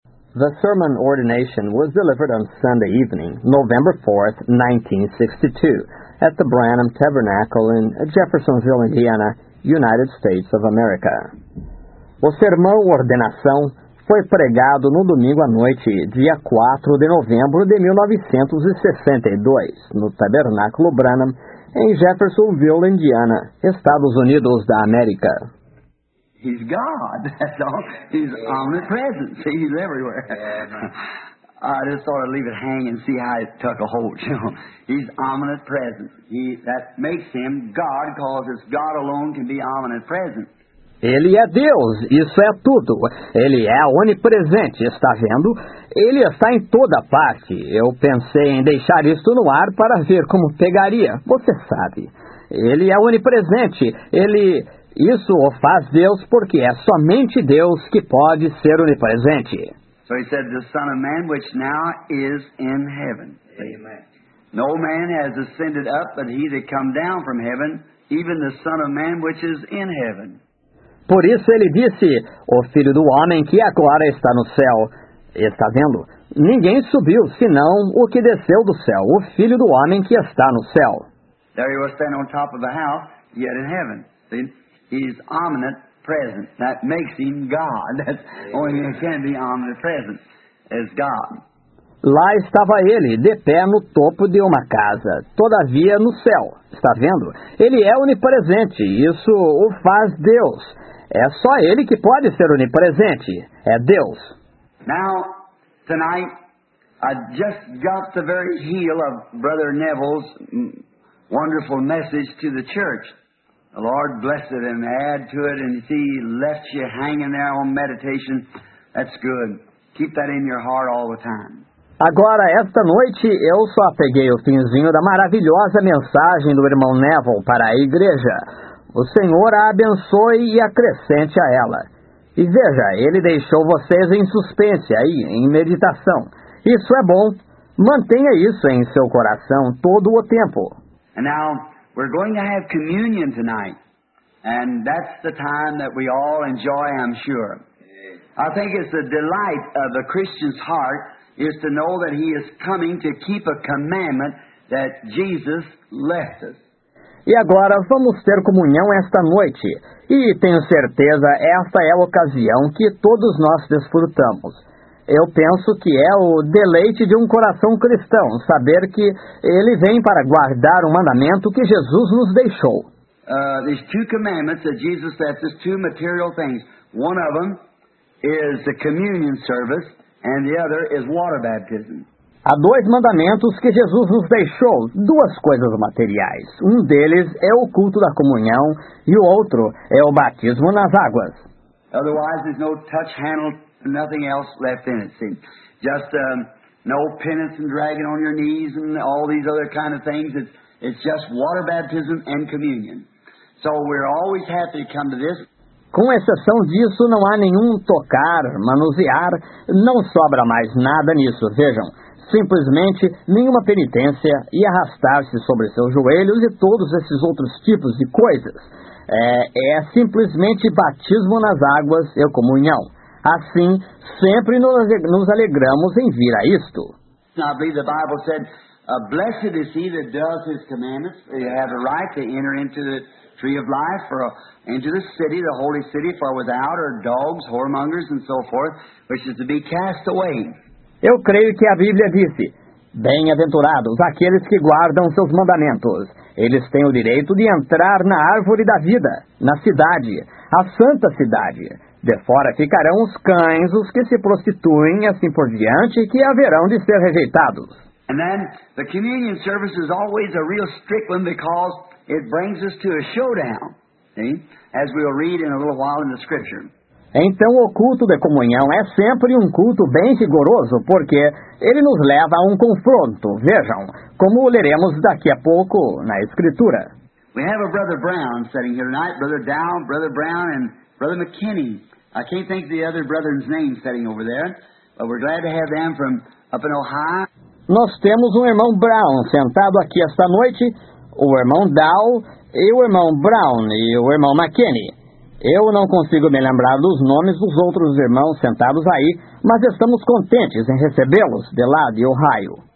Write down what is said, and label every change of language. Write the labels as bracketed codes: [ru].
[en] The sermon ordination was delivered on Sunday evening, November 4, 1962, at the Branham Tabernacle in Jeffersonville, Indiana, United States of America. [pt] O sermão ordenação foi pregado no domingo à noite, dia 4 de novembro de 1962, no Tabernáculo Branham, em Jeffersonville, Indiana, Estados Unidos da América. [en] He's God, that's all. He's omnipresent. See, he's everywhere. I just sort of leave it hang and see how it took a hold. He's omnipresent. That makes him God, because it's God alone can be omnipresent. [pt] Ele é Deus, isso é tudo. Ele é onipresente, está vendo? Ele está em toda parte. Eu pensei em deixar isto no ar para ver como pegaria. Você sabe. Ele é onipresente. Isso o faz Deus, porque é somente Deus que pode ser onipresente. [en] So he said, the Son of Man, which now is in heaven. Amen. No man has ascended up, but he that come down from heaven, even the Son of Man, which is in heaven. [pt] Por isso ele disse, o Filho do Homem que agora está no céu. Está vendo? Ninguém subiu, senão o que desceu do céu, o Filho do Homem que está no céu. [en] There he was standing on top of the house, yet in heaven. See? He's omnipresent. That makes him God. That's only he can be omnipresent as God. [pt] Lá estava ele, de pé no topo de uma casa, todavia no céu. Está vendo? Ele é onipresente, isso o faz Deus. É só ele que pode ser onipresente. É Deus. [en] Now, tonight, I just got the very heel of Brother Neville's wonderful message to the church. The Lord blessed him, add to it, and see, he left you hanging there on meditation. That's good. Keep that in your heart all the time. [pt] Agora, esta noite, eu só peguei o finzinho da maravilhosa mensagem do irmão Neville para a igreja. O Senhor a abençoe e acrescente a ela. E veja, ele deixou vocês em suspense aí, em meditação. Isso é bom. Mantenha isso em seu coração todo o tempo. [en] And now, we're going to have communion tonight. And that's the time that we all enjoy, I'm sure. I think it's the delight of a Christian's heart is to know that he is coming to keep a commandment that Jesus left us. [pt] E agora vamos ter comunhão esta noite, e tenho certeza esta é a ocasião que todos nós desfrutamos. Eu penso que é o deleite de um coração cristão, saber que ele vem para guardar o mandamento que Jesus nos deixou. [en] These two commandments that Jesus left us, two material things. One of them is the communion service, and the other is water baptism. [pt] Há dois mandamentos que Jesus nos deixou, duas coisas materiais. Um deles é o culto da comunhão e o outro é o batismo nas águas. [en] Otherwise, there's no touch handle, nothing else left in it. See? Just no penance and dragging on your knees and all these other kind of things. It's just water baptism and communion. So we're always happy to come to this. [pt] Com exceção disso, não há nenhum tocar, manusear, não sobra mais nada nisso, vejam. Simplesmente, nenhuma penitência e arrastar-se sobre seus joelhos e todos esses outros tipos de coisas. É simplesmente batismo nas águas e comunhão. Assim, sempre nos alegramos em vir a isto. [en] I believe the Bible said, blessed is he that does his commandments. You have the right to enter into the tree of life, or into the city, the holy city, for without are dogs, whoremongers, and so forth, which is to be cast away. [pt] Eu creio que a Bíblia disse, bem-aventurados aqueles que guardam seus mandamentos. Eles têm o direito de entrar na árvore da vida, na cidade, a santa cidade. De fora ficarão os cães, os que se prostituem e assim por diante, que haverão de ser rejeitados. [en] And then, the communion service is always a real strict one because it brings us to a showdown, see? As we'll read in a little while in the scripture. [pt] Então, o culto de comunhão é sempre um culto bem rigoroso, porque ele nos leva a um confronto. Vejam, como leremos daqui a pouco na Escritura. [en] We have a Brother Brown sitting here tonight, Brother Dow, Brother Brown, and Brother McKinney. I can't think of the other brother's name sitting over there, but we're glad to have them from up in Ohio. [pt] Nós temos um irmão Brown sentado aqui esta noite, o irmão Dow, e o irmão Brown, e o irmão McKinney. Eu não consigo me lembrar dos nomes dos outros irmãos sentados aí, mas estamos contentes em recebê-los de lá de Ohio.